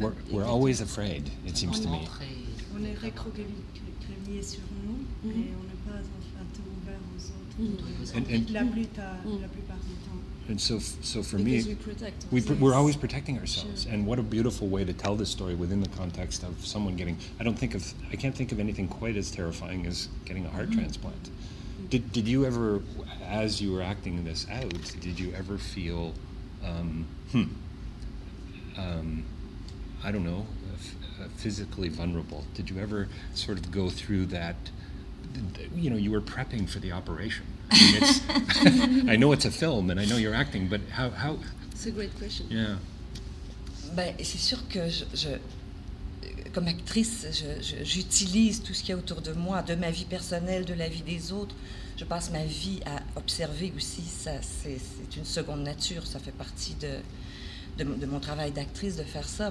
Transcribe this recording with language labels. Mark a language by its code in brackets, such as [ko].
[en] We're always afraid, it seems to me. [fr] On est recroquevillé sur nous, mais on n'est pas en fait ouvert aux autres. La plupart du temps. [en] And so for because me, we're always protecting ourselves. Sure. And what a beautiful way to tell this story within the context of someone getting. I can't think of anything quite as terrifying as getting a heart transplant. Did you ever, as you were acting this out, did you ever feel, I don't know, physically vulnerable? Did you ever sort of go through that? You know, you were prepping for the operation. I know it's a film and I know you're acting, but how? It's a great question. Yeah. [fr] Ben, c'est sûr que je comme actrice, j'utilise tout ce qu'il y a autour de moi, de ma vie personnelle, de la vie des autres. Je passe ma vie à observer aussi. Ça, c'est une seconde nature. Ça fait partie de mon travail d'actrice de faire ça.